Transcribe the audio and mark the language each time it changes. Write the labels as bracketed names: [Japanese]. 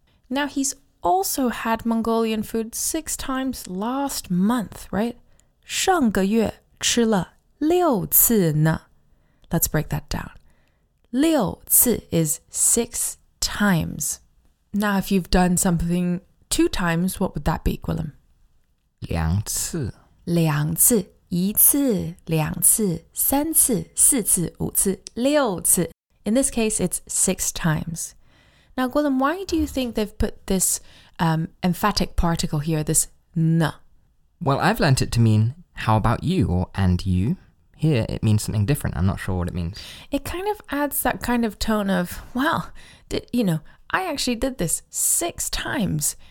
[English] Now he's also had Mongolian food 6 times last month, right? [Chinese] 上个月吃了六次呢。 [English] Let's break that down. 六次 is 6 times. Now if you've done something 2 times, what would that be, Guillem? [Chinese] 两次。两次，一次，两次，三次，四次，五次，六次。 [English] In this case, it's 6 times. Now, Guillem, why do you think they've put this emphatic particle here, this n? Well, I've learnt it to mean, how about you, or and you. Here, it means something different. I'm not sure what it means. It kind of adds that kind of tone of, well, I actually did this 6 times.